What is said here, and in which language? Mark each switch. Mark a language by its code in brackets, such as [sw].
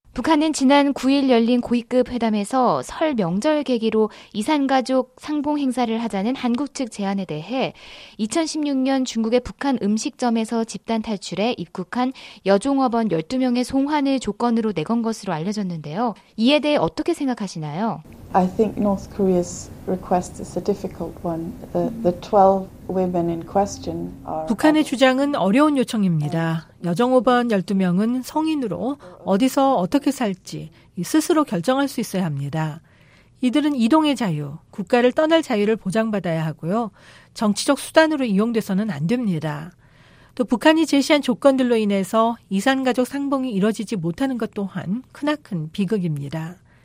[ko] 북한은 지난 9일 열린 고위급 회담에서 설 명절 계기로 이산가족 상봉 행사를 하자는 한국 측 제안에 대해 2016년 중국의 북한 음식점에서 집단 탈출해 입국한 여종업원 12명의 송환을 조건으로 내건 것으로 알려졌는데요. 이에 대해 어떻게 생각하시나요? [en] I think North Korea's request is a difficult one. The 12 women in question are [ko] 북한의 주장은 어려운 요청입니다. 여종업원 12명은 성인으로 어디서 어떻게 살지 스스로 결정할 수 있어야 합니다. 이들은 이동의 자유, 국가를 떠날 자유를 보장받아야 하고요. 정치적 수단으로 이용돼서는 안 됩니다. 또 북한이 제시한 조건들로 인해서 이산가족 상봉이 이뤄지지 못하는 것 또한 크나큰 비극입니다.